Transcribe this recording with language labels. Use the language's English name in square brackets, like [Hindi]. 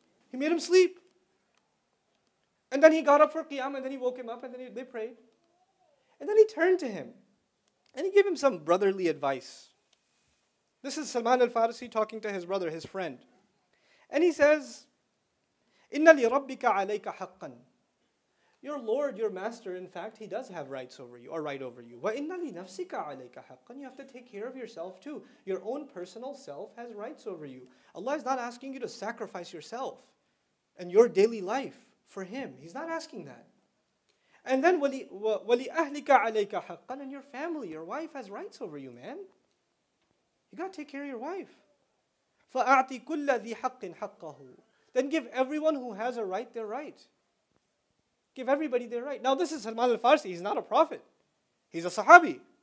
[English] He made him sleep. And then he got up for Qiyam and then he woke him up and then they prayed. And then he turned to him and he gave him some brotherly advice. This is Salman al-Farsi talking to his brother, his friend. And he says, [Arabic] إِنَّ لِرَبِّكَ عَلَيْكَ حَقًّا. [English] Your Lord, your Master, in fact, He does have rights over you, or right over you. [Arabic] وَإِنَّ لِنَفْسِكَ عَلَيْكَ حَقًّا. [English] You have to take care of yourself too. Your own personal self has rights over you. Allah is not asking you to sacrifice yourself and your daily life for Him. He's not asking that. And then, [Arabic] وَلِأَهْلِكَ عَلَيْكَ حَقًّا. [English] And your family, your wife has rights over you, man. You got to take care of your wife. [Arabic] فَأَعْطِ كُلَّ ذِي حَقٍ حَقَّهُ. [English] Then give everyone who has a right their right. Give everybody their right. Now this is Salman al-Farsi. He's not a prophet. He's a sahabi.